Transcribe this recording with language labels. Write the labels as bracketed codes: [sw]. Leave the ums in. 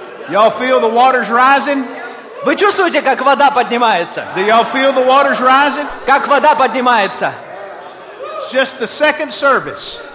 [en] Y'all feel the waters rising? [ru] Вы чувствуете, как вода поднимается? [en] Do y'all feel the waters rising? [ru] Как вода поднимается? [en] just the second service.